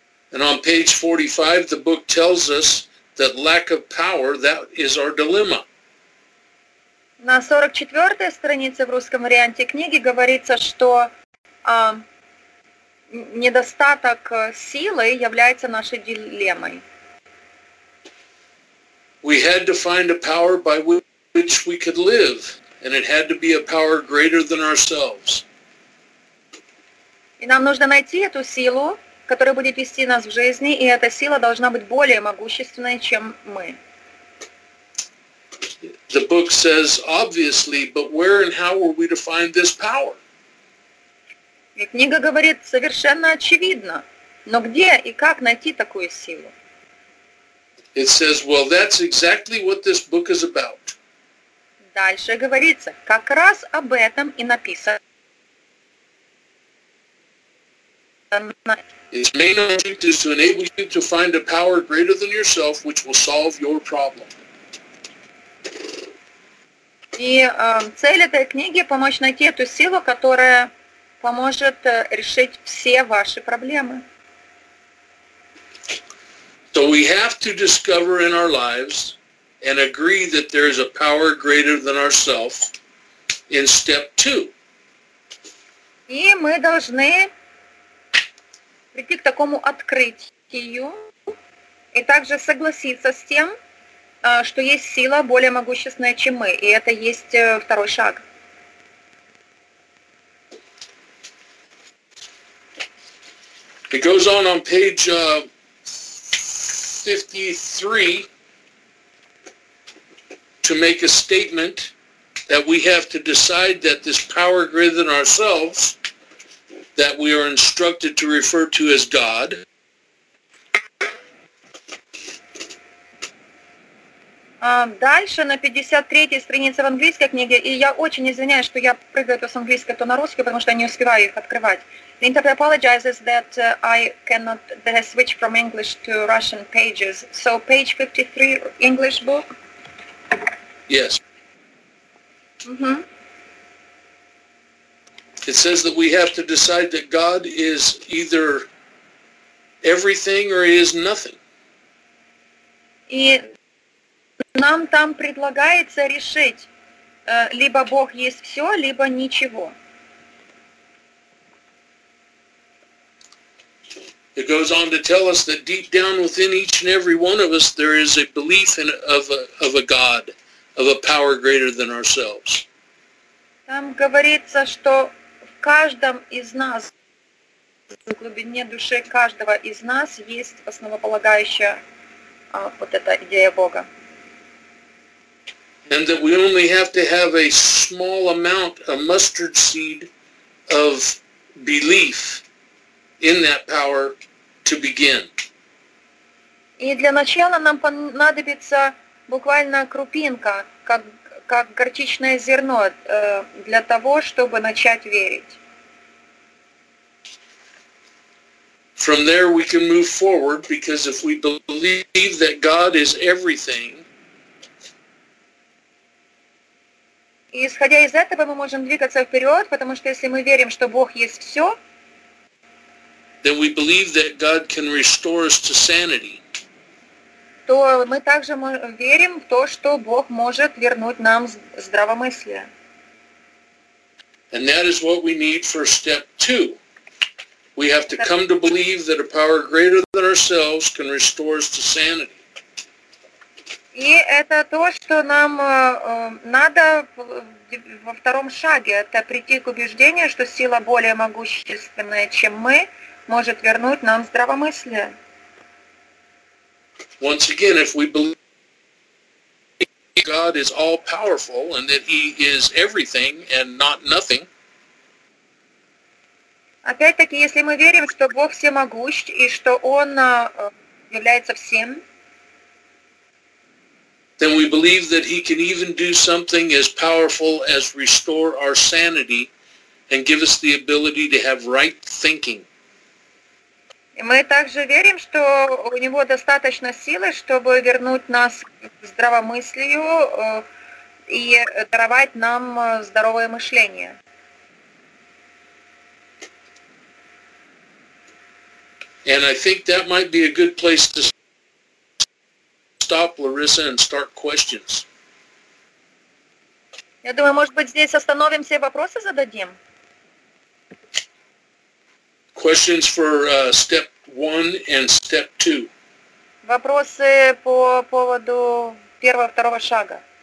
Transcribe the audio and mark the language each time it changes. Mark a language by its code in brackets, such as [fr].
[en] And on page 45 the book tells us that lack of power, that is our dilemma. [ru] На 44-й странице в русском варианте книги говорится, что недостаток силы является нашей дилеммой. [en] We had to find a power by which we could live, and it had to be a power greater than ourselves. [ru] И нам нужно найти эту силу, которая будет вести нас в жизни, и эта сила должна быть более могущественной, чем мы. [en] The book says, obviously, but where and how were we to find this power? [ru] И книга говорит совершенно очевидно, но где и как найти такую силу? [en] It says, well, that's exactly what this book is about. [ru] Дальше говорится, как раз об этом и написано. [en] Its main object is to enable you to find a power greater than yourself, which will solve your problem. [ru] И цель этой книги – помочь найти эту силу, которая поможет решить все ваши проблемы. [en] So we have to discover in our lives and agree that there is a power greater than ourselves in step two. [ru] И мы должны прийти к такому открытию и также согласиться с тем, что есть сила более могущественная, чем мы. И это есть второй шаг. [en] It goes on page 53 to make a statement that we have to decide that this power greater than ourselves that we are instructed to refer to as God. [ru] Дальше на 53-й странице в английской книге, и я очень извиняюсь, что я прыгаю то с английской, то на русский, потому что я не успеваю их открывать. [en] The interpreter apologizes that that I switch from English to Russian pages. So page 53, English book? Yes. Mm-hmm. It says that we have to decide that God is either everything or he is nothing. [ru] И нам там предлагается решить, либо Бог есть все, либо ничего. [en] It goes on to tell us that deep down within each and every one of us there is a belief in of a God, of a power greater than ourselves. [ru] Там говорится, что в каждом из нас В глубине души каждого из нас есть основополагающая вот эта идея Бога. [en] And that we only have to have a small amount, a mustard seed of belief in that power to begin. [ru] И для начала нам понадобится буквально крупинка, как горчичное зерно, для того, чтобы начать верить. [en] From there we can move forward, because if we believe that God is everything, [ru] и исходя из этого мы можем двигаться вперед, потому что если мы верим, что Бог есть все, [en] then we believe that God can restore us to sanity, [ru] то мы также верим в то, что Бог может вернуть нам здравомыслие. [en] And that is what we need for step two. We have to come to believe that a power greater than ourselves can restore us to sanity. [ru] И это то, что нам надо во втором шаге. Это прийти к убеждению, что сила более могущественная, чем мы, может вернуть нам здравомыслие. [en] Once again, if we believe God is all-powerful and that He is everything and not nothing, [ru] опять-таки, если мы верим, что Бог всемогущ и что Он является всем, [en] then we believe that He can even do something as powerful as restore our sanity and give us the ability to have right thinking. [ru] И мы также верим, что у Него достаточно силы, чтобы вернуть нас к здравомыслию и даровать нам здоровое мышление. [en] And I think that might be a good place to stop, Larissa, and start questions. [ru] Я думаю, может быть, здесь остановимся и вопросы зададим? [en] Questions for step one and step two. [ru] Вопросы по поводу первого-второго шага.